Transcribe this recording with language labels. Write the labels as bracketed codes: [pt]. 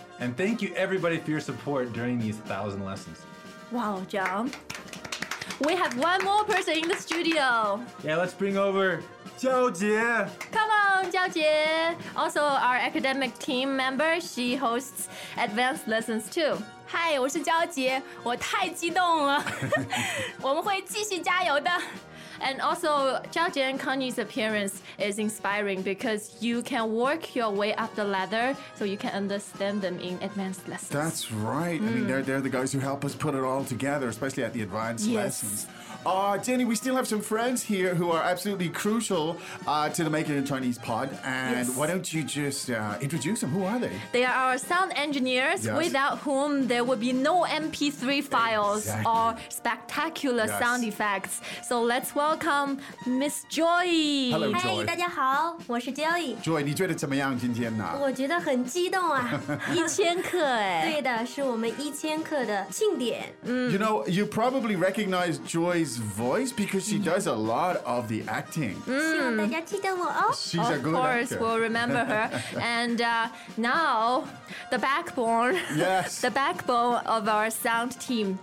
[en] And thank you, everybody, for your support during these 1,000 lessons. Wow, John. We have one more person in the studio. Yeah, let's bring over Jiao Jie. Come on, Jiao Jie. Also, our academic team member, she hosts advanced lessons too. Hi, [zh] 我是焦杰，我太激动了。我们会继续加油的。 [en] And also, Jiao Jie and Connie's appearance is inspiring because you can work your way up the ladder so you can understand them in advanced lessons. That's right. Mm. I mean, they're the guys who help us put it all together, especially at the advanced lessons. Jenny, we still have some friends here who are absolutely crucial to the Making a Chinese Pod. And why don't you just introduce them? Who are they? They are our sound engineers, without whom there would be no MP3 files or spectacular sound effects. So let's welcome welcome Miss Joy. Hello, Joy. Hey, [zh] 大家好，我是 Joy。 Joy， 你觉得怎么样今天呢？我觉得很激动啊，一千克哎。对的，是我们一千克的庆典。 [en] You know, you probably recognize Joy's voice because she does a lot of the acting. [zh] 希望大家记得我哦。 [en] She's a good actor. Of course, we'll remember her. And now, the backbone. Yes. The backbone of our sound team,